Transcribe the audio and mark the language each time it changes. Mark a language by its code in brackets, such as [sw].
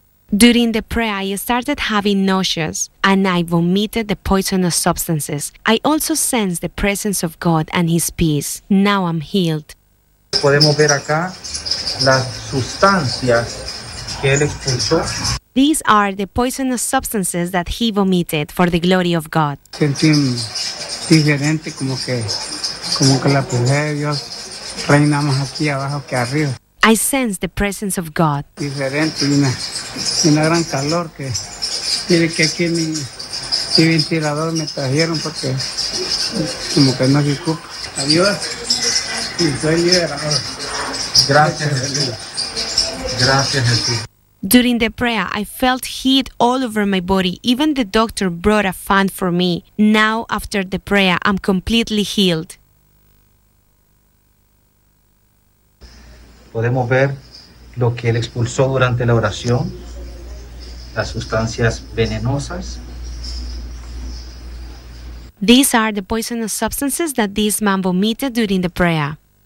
[en] During the prayer, I started having nauseas and I vomited the poisonous substances. I also sensed the presence of God and His peace. Now I'm healed. [es] Podemos ver acá las sustancias que él expulsó. [en] These are the poisonous substances that he vomited for the glory of God. [es] Sentí diferente, como que la presencia de Dios reina más aquí abajo que arriba. [en] I sense the presence of God. [es] Diferente, una gran calor que tiene que aquí mi ventilador me trajeron porque como que no se ocupa. Ayuda y soy liberador. Gracias, Jesús. Gracias, Jesús. [en] During the prayer, I felt heat all over my body. Even the doctor brought a fan for me. Now, after the prayer, I'm completely healed. [es] Podemos ver lo que él expulsó durante la oración, las sustancias venenosas. [en] These are the poisonous substances that this man vomited during the prayer.